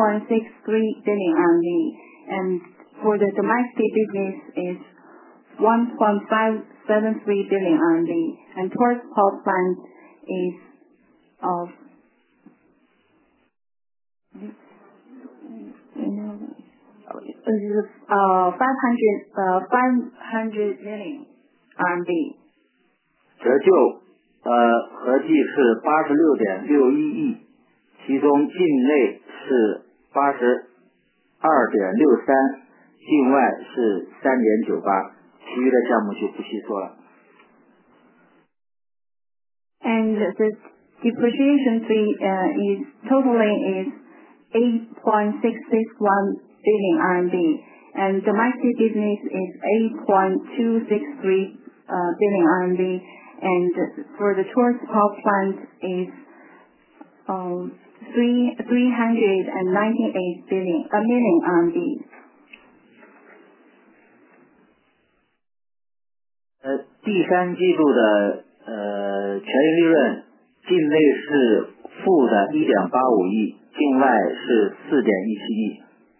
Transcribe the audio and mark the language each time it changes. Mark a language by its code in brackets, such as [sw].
[en] 1.63 billion RMB, and for the domestic business is 1.573 billion RMB, and towards power plant is of500 million RMB. [zh] 折旧合计是86.61亿，其中境内是82.63，境外是3.98，其余的项目就不细说了。 [en] And the depreciation fee is totally is 8.661 billion RMB, and domestic business is 8.263 billion RMB, and for the tourist power plant is 398 million RMB. [zh] 第三季度的权益利润，境内是负的1.85亿，境外是4.17亿。